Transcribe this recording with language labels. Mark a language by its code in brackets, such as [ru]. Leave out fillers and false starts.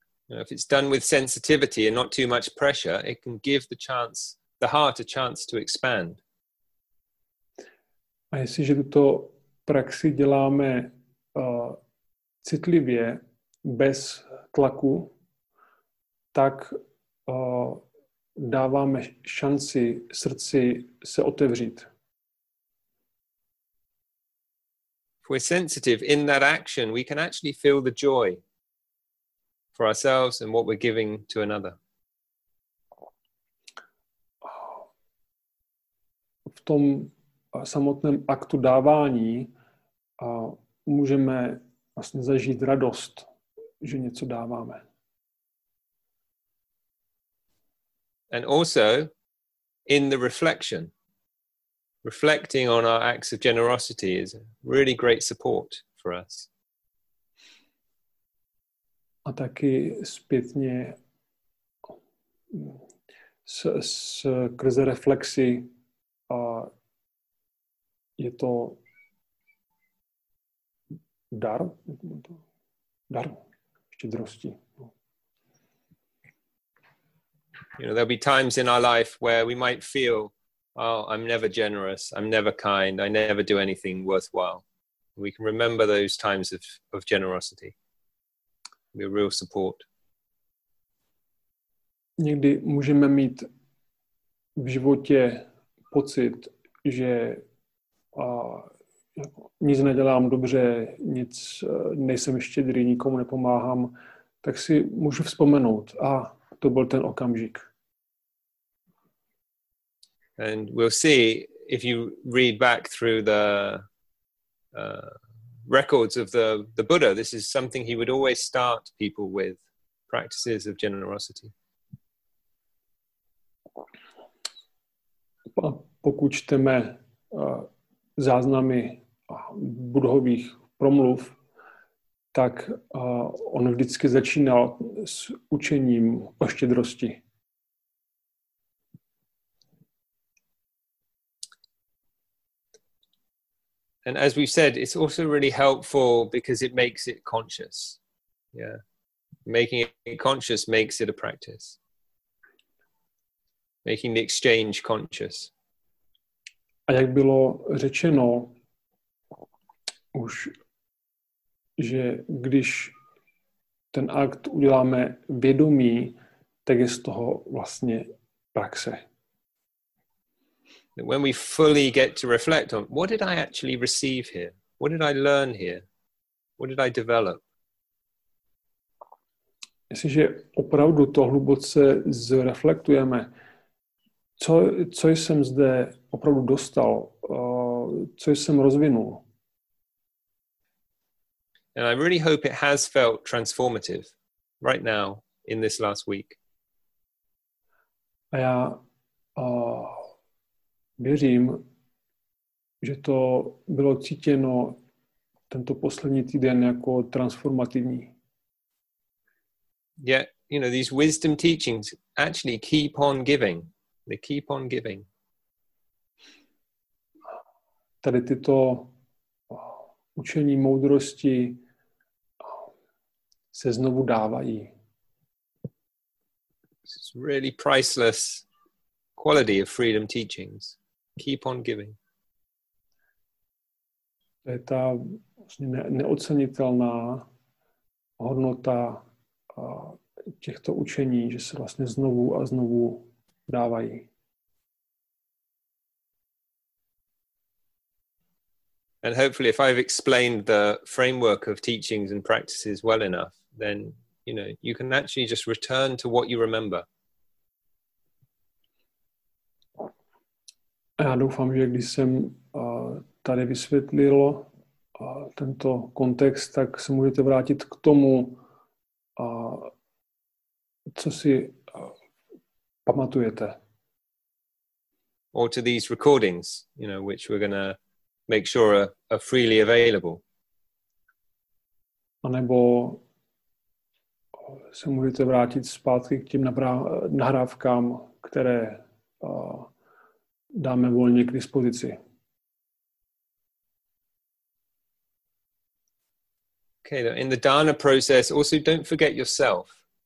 [en] If it's done with sensitivity and not too much pressure, it can give the chance, the heart a chance to expand. [cs] A jestliže tuto praxi děláme citlivě, bez tlaku, tak dáváme šanci srdci se otevřít. [en] If we're sensitive in that action, we can actually feel the joy for ourselves and what we're giving to another. [cs] V tom samotném aktu dávání můžeme vlastně zažít radost, že něco dáváme. [en] And also in the reflection, reflecting on our acts of generosity is a really great support for us. [cs] A taky zpětně skrze reflexi je to dar? Dar štědrosti. [en] You know, there'll be times in our life where we might feel, oh, I'm never generous, I'm never kind, I never do anything worthwhile. We can remember those times of generosity. Be a real support. [cs] Někdy můžeme mít v životě pocit, že nic nedělám dobře, nic nejsem štědrý, nikomu nepomáhám, tak si můžu vzpomenout. A to byl ten okamžik. [en] And we'll see if you read back through the records of the Buddha, this is something he would always start people with, practices of generosity. [cs] Pokud čteme záznamy Buddhových promluv, tak on vždycky začínal s učením o štědrosti. [en] And as we've said, it's also really helpful because it makes it conscious. Yeah. Making it conscious makes it a practice. Making the exchange conscious. [cs] A jak bylo řečeno už, že když ten akt uděláme vědomí, tak je z toho vlastně praxe. [en] When we fully get to reflect on what did I actually receive here? What did I learn here? What did I develop? [cs] Jestliže opravdu to hluboce zreflektujeme, co jsem zde opravdu dostal, co jsem rozvinul. [en] And I really hope it has felt transformative right now in this last week. [cs] A já věřím, že to bylo cítěno tento poslední týden jako transformativní. [en] Yeah, you know, these wisdom teachings actually keep on giving. They keep on giving. [cs] Tady tyto učení moudrosti se znovu dávají. [en] It's really priceless quality of freedom teachings. Keep on giving. [cs] To je ta neocenitelná hodnota těchto učení, že se vlastně znovu a znovu dávají. [en] And hopefully if I've explained the framework of teachings and practices well enough, then you know, you can actually just return to what you remember. [cs] Já doufám, že když jsem tady vysvětlil tento kontext, tak se můžete vrátit k tomu, co si pamatujete. [en] Or to these recordings, you know, which we're going to make sure are freely available. [cs] A nebo se můžete vrátit zpátky k těm nahrávkám, které dáme volně k dispozici. [en] Okay, in the dana process, also don't forget yourself.